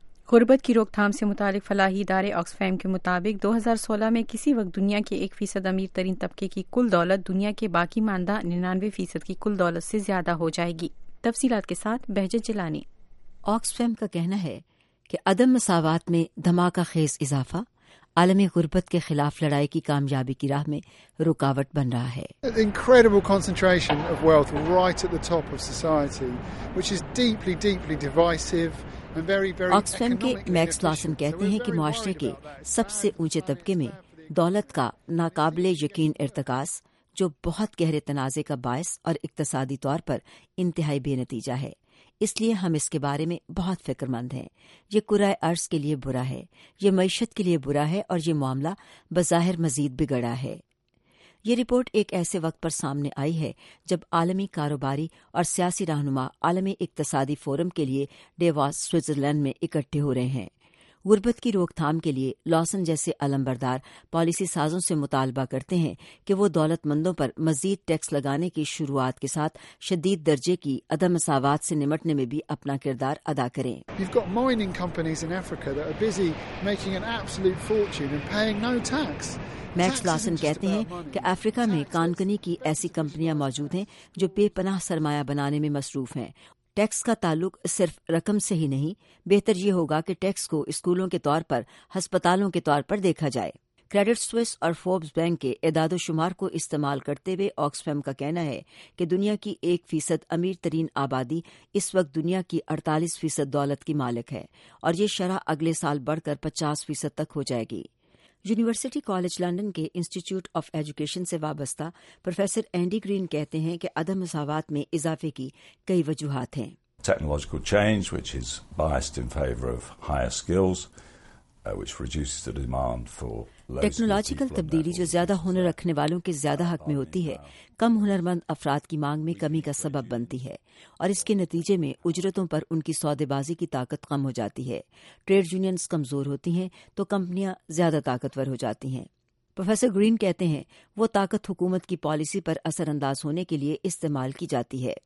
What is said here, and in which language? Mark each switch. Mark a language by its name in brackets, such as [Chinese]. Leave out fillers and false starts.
[Urdu] غربت کی روک تھام سے متعلق فلاحی ادارے آکسفیم کے مطابق 2016 میں کسی وقت دنیا کے 1% امیر ترین طبقے کی کل دولت دنیا کے باقی ماندہ 99% کی کل دولت سے زیادہ ہو جائے گی۔ تفصیلات کے ساتھ بہجت جلانی۔ آکسفیم کا کہنا ہے کہ عدم مساوات میں دھماکہ خیز اضافہ عالمی غربت کے خلاف لڑائی کی کامیابی کی راہ میں رکاوٹ بن رہا ہے۔ [English] Incredible concentration of wealth right at the top of society, which is deeply, deeply divisive. [Urdu] Oxfam کے میکس لاسن کہتے ہیں کہ معاشرے کے سب سے اونچے طبقے میں دولت کا ناقابل یقین ارتکاز جو بہت گہرے تنازع کا باعث اور اقتصادی طور پر انتہائی بے نتیجہ ہے، اس لیے ہم اس کے بارے میں بہت فکر مند ہیں۔ یہ کرائے ارض کے لیے برا ہے، یہ معیشت کے لیے برا ہے، اور یہ معاملہ بظاہر مزید بگڑا ہے۔ یہ رپورٹ ایک ایسے وقت پر سامنے آئی ہے جب عالمی کاروباری اور سیاسی رہنما عالمی اقتصادی فورم کے لیے ڈیواس سوئٹزرلینڈ میں اکٹھے ہو رہے ہیں۔ غربت کی روک تھام کے لیے لاسن جیسے علمبردار پالیسی سازوں سے مطالبہ کرتے ہیں کہ وہ دولت مندوں پر مزید ٹیکس لگانے کی شروعات کے ساتھ شدید درجے کی عدم مساوات سے نمٹنے میں بھی اپنا کردار ادا کریں۔ [English] You've got mining companies in Africa that are busy making an absolute fortune and paying no tax. [Urdu] Max Lawson کہتے ہیں کہ افریقہ میں کانکنی کی ایسی کمپنیاں موجود ہیں جو بے پناہ سرمایہ بنانے میں مصروف ہیں۔ ٹیکس کا تعلق صرف رقم سے ہی نہیں، بہتر یہ ہوگا کہ ٹیکس کو اسکولوں کے طور پر، ہسپتالوں کے طور پر دیکھا جائے۔ کریڈٹ سوئس اور فوربس بینک کے اعداد و شمار کو استعمال کرتے ہوئے آکسفیم کا کہنا ہے کہ دنیا کی 1% امیر ترین آبادی اس وقت دنیا کی 48% دولت کی مالک ہے، اور یہ شرح اگلے سال بڑھ کر 50% تک ہو جائے گی۔ یونیورسٹی کالج لندن کے انسٹیٹیوٹ آف ایجوکیشن سے وابستہ پروفیسر اینڈی گرین کہتے ہیں کہ عدم مساوات میں اضافے کی کئی وجوہات ہیں۔ [English] technological change which is biased in favour of higher skills which reduces the demand for [Urdu] technological تبدیلی جو زیادہ ہنر رکھنے والوں کے زیادہ حق میں ہوتی ہے، کم ہنر مند افراد کی مانگ میں کمی کا سبب بنتی ہے، اور اس کے نتیجے میں اجرتوں پر ان کی سودے بازی کی طاقت کم ہو جاتی ہے۔ ٹریڈ یونینز کمزور ہوتی ہیں تو کمپنیاں زیادہ طاقتور ہو جاتی ہیں۔ پروفیسر گرین کہتے ہیں وہ طاقت حکومت کی پالیسی پر اثر انداز ہونے کے لیے استعمال کی جاتی ہے۔